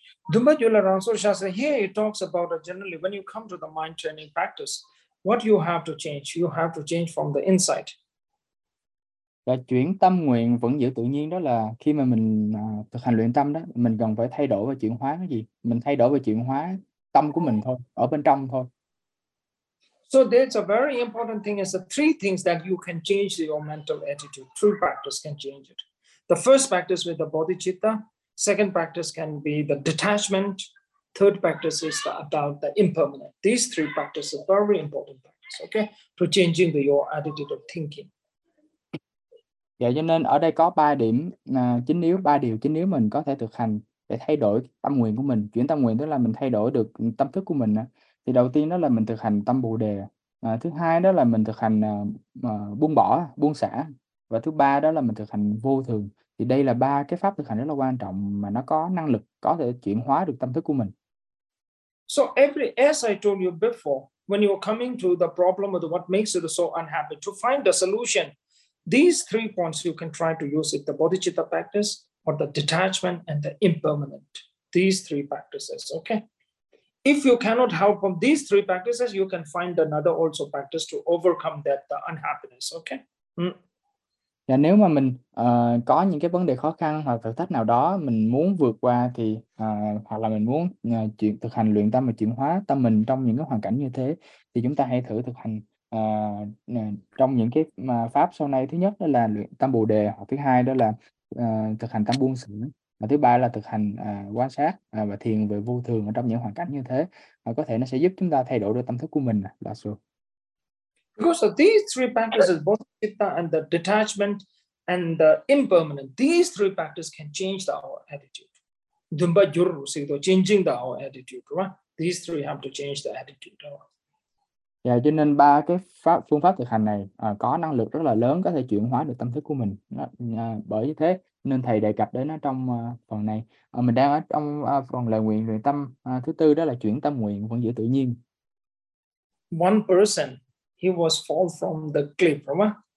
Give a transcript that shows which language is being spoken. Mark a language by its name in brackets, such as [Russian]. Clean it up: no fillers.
[English] Here he talks about generally when you come to the mind training practice, what you have to change from the inside. [Vietnamese] Và chuyển tâm nguyện vẫn giữ tự nhiên đó là khi mà mình thực hành luyện tâm đó, mình cần phải thay đổi và chuyển hóa cái gì? Mình thay đổi và chuyển hóa tâm của mình thôi, ở bên trong thôi. [English] So there's a very important thing is the three things that you can change your mental attitude. True practice can change it. The first practice with the bodhicitta, second practice can be the detachment, third practice is the about the impermanent. These three practices are very important practice, okay, to changing your attitude of thinking. [Vietnamese] Dạ, cho nên ở đây có ba điểm chính yếu, ba điều chính yếu mình có thể thực hành để thay đổi tâm nguyện của mình. Chuyển tâm nguyện tức là mình thay đổi được tâm thức của mình. Thì đầu tiên đó là mình thực hành tâm bồ đề. Thứ hai đó là mình thực hành buông bỏ, buông xả. Và thứ ba đó là mình thực hành vô thường. Thì đây là ba cái pháp thực hành rất là quan trọng mà nó có năng lực, có thể chuyển hóa được tâm thức của mình. [English] So every, as I told you before, when you are coming to the problem of what makes you so unhappy, to find the solution, these three points you can try to use it, the bodhicitta practice, or the detachment and the impermanent. These three practices, okay? If you cannot help from these three practices, you can find another also practice to overcome that the unhappiness, okay? [Vietnamese] Dạ, nếu mà mình có những cái vấn đề khó khăn hoặc thử thách nào đó mình muốn vượt qua thì hoặc là mình muốn chuyển thực hành luyện tâm và chuyển hóa tâm mình trong những cái hoàn cảnh như thế thì chúng ta hãy thử thực hành trong những cái mà pháp sau này. Thứ nhất đó là luyện tâm bồ đề, thứ hai đó là thực hành tâm buông xả, và thứ ba là thực hành quan sát và thiền về vô thường ở trong những hoàn cảnh như thế. Có thể nó sẽ giúp chúng ta thay đổi được tâm thức của mình. Là sao? [English] Because of these three practices, bodhicitta and the detachment and the impermanent, these three practices can change the, our attitude. Dumba juru sito, changing the, our attitude, right? These three have to change the attitude. [Vietnamese] Dạ, cho nên ba cái phương pháp thực hành này có năng lực rất là lớn, có thể chuyển hóa được tâm thức của mình. Bởi thế nên thầy đề cập đến nó trong phần này. Mình đang ở trong phần lời nguyện luyện tâm thứ tư, đó là chuyển tâm nguyện vẫn giữ tự nhiên. [English] One person, he was fall from the cliff, right?